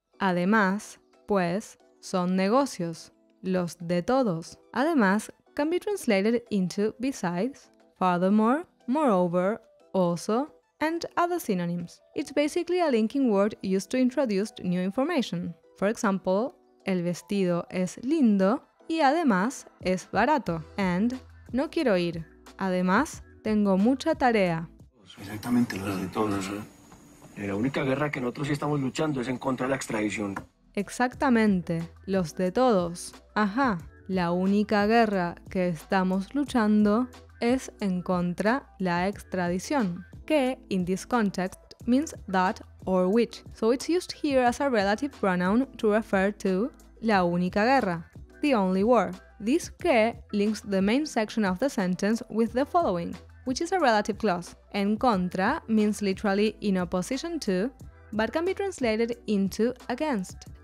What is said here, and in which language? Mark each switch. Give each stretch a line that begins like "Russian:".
Spanish: Además, pues son negocios, los de todos.
English: Además, can be translated into besides, furthermore, moreover, also, and other synonyms. It's basically a linking word used to introduce new information. For example,
Spanish: el vestido es lindo y además es barato. And no quiero ir. Además, tengo mucha tarea. Exactamente, los de todos. La única guerra que nosotros sí estamos luchando es en contra de la extradición. Exactamente, los de todos. Ajá, la única guerra que estamos luchando es en contra la extradición.
English: Que, in this context, means that or which. So it's used here as a relative pronoun to refer to
Spanish: la única guerra,
English: the only war. This que links the main section of the sentence with the following, which is a relative clause. En contra means literally in opposition to, but can be translated into against.